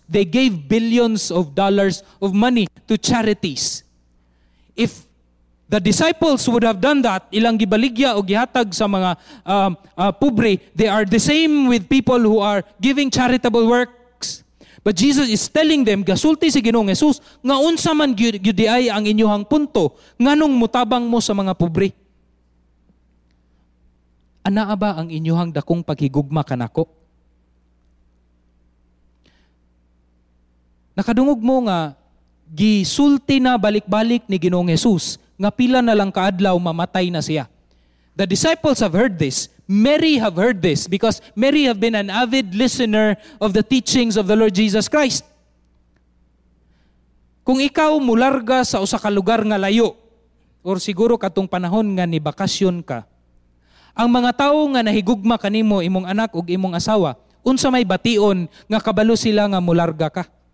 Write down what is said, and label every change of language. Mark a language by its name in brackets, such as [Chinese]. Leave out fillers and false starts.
[English] They gave billions of dollars of money to charities. If the disciples would have done that, [Cebuano] ilang gibaligya o gihatag sa mga pobre, [English] they are the same with people who are giving charitable work. But Jesus is telling them, [Cebuano] gasulti si Ginoong Jesus, nga unsa man gyud ay ang inyohang punto, nganong mutabang mo sa mga pobre? Anaa ba ang inyohang dakong paghigugma kanako? Nakadungog mo nga gisulti na balik-balik ni Ginoong Jesus nga pila na lang kaadlaw mamatay na siya. [English] The disciples have heard this. Mary have heard this because Mary have been an avid listener of the teachings of the Lord Jesus Christ. [Cebuano] Kung ikaw mularga sa usa ka lugar nga layo, or siguro katong panahon nga ni bakasyon ka, ang mga tao nga nahigugma kanimo, imong anak ug imong asawa, unsa may bation nga kabalo sila nga mularga ka.